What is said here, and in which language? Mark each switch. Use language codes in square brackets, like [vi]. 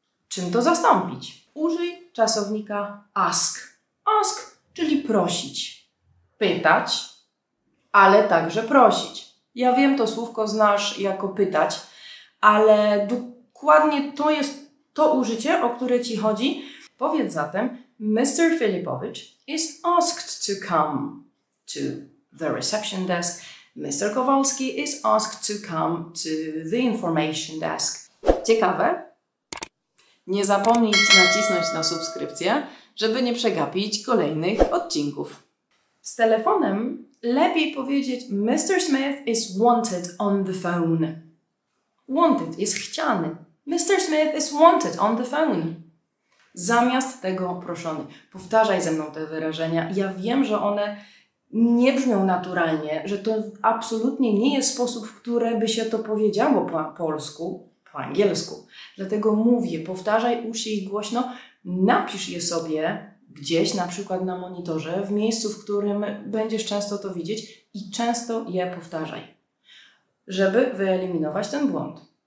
[pl] Czym to zastąpić? Użyj czasownika ask. Ask, czyli prosić. Pytać, ale także prosić. Ja wiem, to słówko znasz jako pytać, ale dokładnie to jest to użycie, o które ci chodzi. Powiedz zatem, Mr. [en] Filipowicz is asked to come to the reception desk. Mr. Kowalski is asked to come to the information desk. [pl] Ciekawe? Nie zapomnij nacisnąć na subskrypcję, żeby nie przegapić kolejnych odcinków. Z telefonem lepiej powiedzieć Mr. [en] Smith is wanted on the phone. [pl] Wanted jest chciany. [en] Mr. Smith is wanted on the phone. [pl] Zamiast tego proszony. Powtarzaj ze mną te wyrażenia. Ja wiem, że one nie brzmią naturalnie, że to absolutnie nie jest sposób, w który by się to powiedziało po polsku, po angielsku. Dlatego mówię, powtarzaj, usz ich głośno, napisz je sobie gdzieś, na przykład na monitorze, w miejscu, w którym będziesz często to widzieć i często je powtarzaj, żeby wyeliminować ten błąd.